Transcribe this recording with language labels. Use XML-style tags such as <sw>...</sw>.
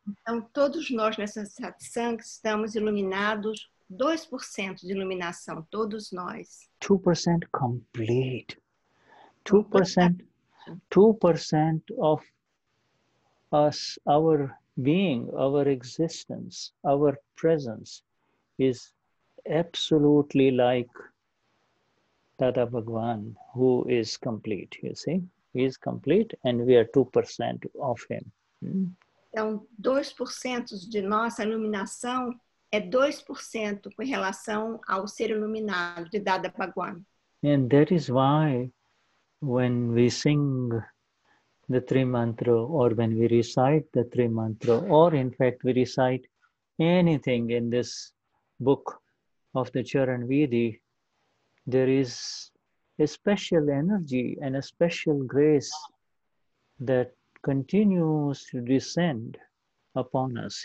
<pt>Então, todos nós nessa satsang estamos iluminados, 2% de iluminação, todos nós.</pt> <en>2% complete. 2%, 2% of us, our being, our existence, our presence is absolutely like Dada Bhagwan, who is complete, you see? He is complete and we are 2% of him.</en> <pt>Então, 2% de nossa iluminação é 2% com relação ao ser iluminado de Dada Bhagwan.</pt> <en>And that is why when we sing the three mantra or when we recite the three mantra or in fact we recite anything in this book of the Charan Vidhi, there is a special energy and a special grace that continues to descend upon us.</en>